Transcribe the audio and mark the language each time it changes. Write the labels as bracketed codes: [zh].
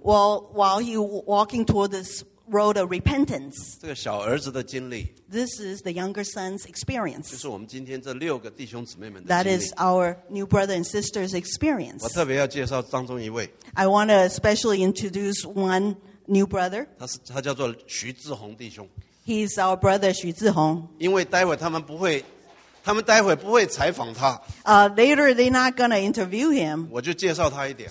[en] Well, while he walking toward this road of repentance. [zh] 这个小儿子的经历。 [en] This is the younger son's experience. [zh] 就是我们今天这六个弟兄姊妹们的经历。 [en] That is our new brother and sister's experience. [zh] 我特别要介绍当中一位。 [en] I want to especially introduce one new brother. [zh] 他叫做徐志宏弟兄。 [en] He's our brother, 徐志宏. [zh] 因为待会他们不会，他们待会不会采访他。 [en] Later they're not going to interview him. [zh] 我就介绍他一点。